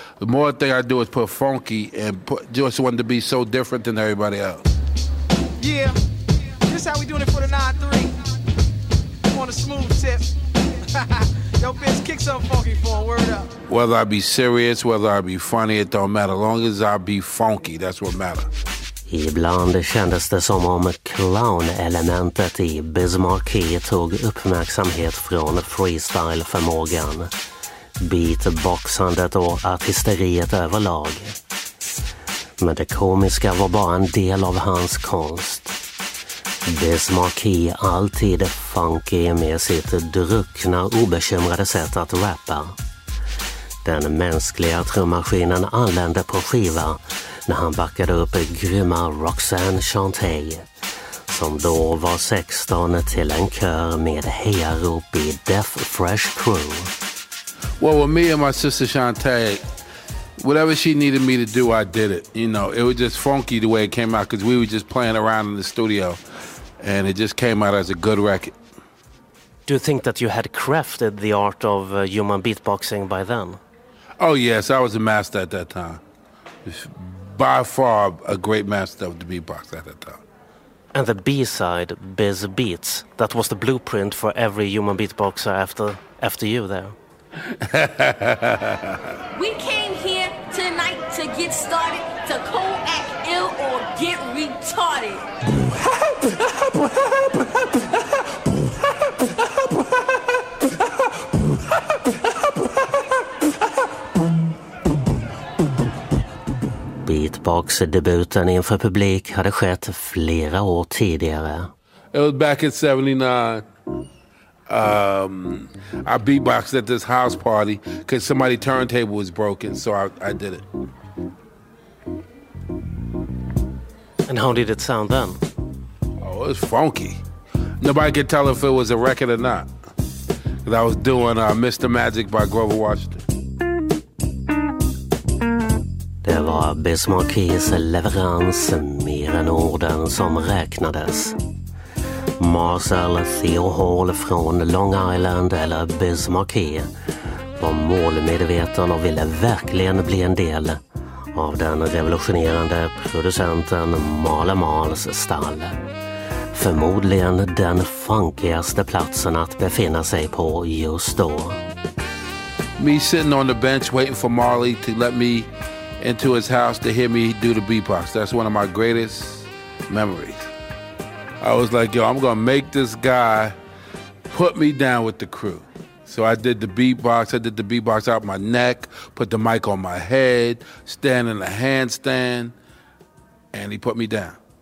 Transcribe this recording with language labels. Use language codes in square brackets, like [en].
[en] The more thing I do is put funky and put just want to be so different than everybody else. Yeah, this how we doing it for the 9-3. I'm on a smooth tip. Yo, bitch, kick some funky for a word up. Whether I be serious, whether I be funny, it don't matter. As long as I be funky, that's what matter. [sv] Ibland kändes det som om clown-elementet i Biz Markie tog uppmärksamhet från freestyle-förmågan, beatboxandet och artisteriet överlag. Men det komiska var bara en del av hans konst. Biz Markie alltid funky med sitt druckna, obekymrade sätt att rappa. Den mänskliga trummaskinen anlände på skiva när han backade upp grymma Roxanne Shanté, som då var 16, till en kör med hejarop i Def Fresh Crew. [en] Well, with me and my sister Shanté, whatever she needed me to do, I did it. You know, it was just funky the way it came out, because we were just playing around in the studio and it just came out as a good record. Do you think that you had crafted the art of human beatboxing by then? Oh, yes. I was a master at that time. By far a great master of the beatbox at that time. And the B-side, Biz Beats, that was the blueprint for every human beatboxer after you there. We came here tonight to get started, to co-act ill or get retarded. [sv] Beatbox-debuten inför publik hade skett flera år tidigare. [en] It was back in 79. I beatboxed at this house party because somebody's turntable was broken, so I did it. And how did it sound then? Oh, it was funky. Nobody could tell if it was a record or not. Because I was doing Mr. Magic by Grover Washington. [sv] Det var Biz Markies leverans, mer än orden, som räknades. Marcel Theo Hall från Long Island, eller Biz Markie, var målmedveten och ville verkligen bli en del av den revolutionerande producenten Malemals stall. Förmodligen den funkigaste platsen att befinna sig på just då. [en] Me sitting on the bench waiting for Marley to let me into his house to hear me do the beatbox. That's one of my greatest memories. I was like, yo, I'm gonna make this guy put me down with the crew. So I did the beatbox. I did the beatbox out my neck, put the mic on my head, stand in a handstand, and he put me down.